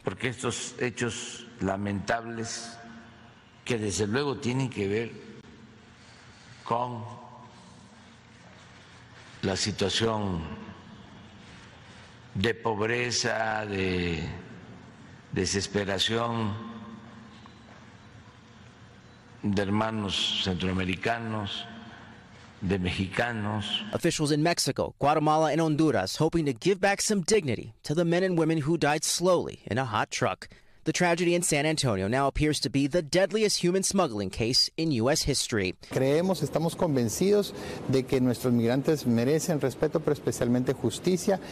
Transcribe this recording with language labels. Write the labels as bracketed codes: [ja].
[es] Porque estos hechos lamentables que desde luego tienen que ver con la situación de pobreza, de desesperación de hermanos centroamericanos, de mexicanos. [en] Officials in Mexico, Guatemala, and Honduras hoping to give back some dignity to the men and women who died slowly in a hot truck. The tragedy in San Antonio now appears to be the deadliest human smuggling case in U.S. history. [es] Creemos, estamos convencidos de que nuestros migrantes merecen respeto, pero especialmente justicia.